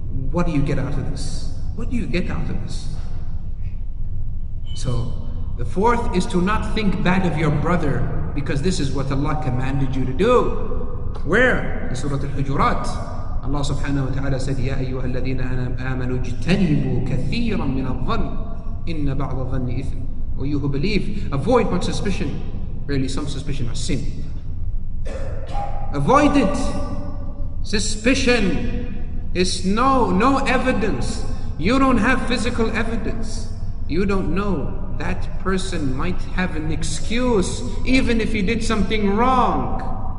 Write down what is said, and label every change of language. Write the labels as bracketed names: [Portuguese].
[English] What do you get out of this? What do you get out of this? So, the fourth is to not think bad of your brother, because this is what Allah commanded you to do. Where? In Surah Al-Hujurat. Allah subhanahu wa ta'ala said, [Arabic] يَا أَيُّهَا الَّذِينَ آمَنُوا اجْتَنِبُوا كَثِيرًا مِنَ الظَّنِّ إِنَّ بَعْضَ الظَّنِّ إِثْمٍ. [English] Or you who believe, avoid much suspicion. Really, some suspicion are sin. Avoid it. Suspicion is no evidence. You don't have physical evidence. You don't know. That person might have an excuse, even if he did something wrong.